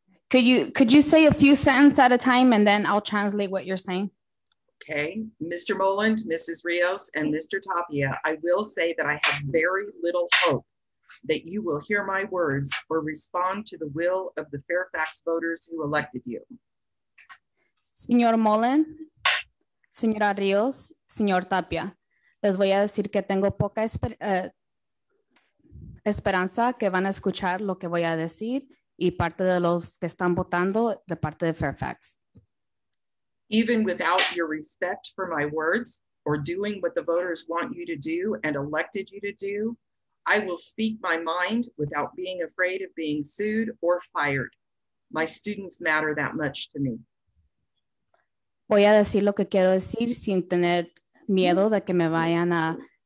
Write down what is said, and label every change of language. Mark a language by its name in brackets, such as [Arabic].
[English] Could you say a few sentences at a time and then I'll translate what you're saying? Okay. Mr. Moland, Mrs. Rios, and Mr. Tapia, I will say that I have very little hope that you will hear my words or respond to the will of the Fairfax voters who elected you. [Spanish] Señor Moland, señora Rios, señor Tapia, les voy a decir que tengo poca esperanza que van a escuchar lo que voy a decir y parte de los que están votando de parte de Fairfax. [English] Even without your respect for my words or doing what the voters want you to do and elected you to do, I will speak my mind without being afraid of being sued or fired. My students matter that much to me. [Spanish] Voy a decir lo que quiero decir sin tener miedo de que me vayan a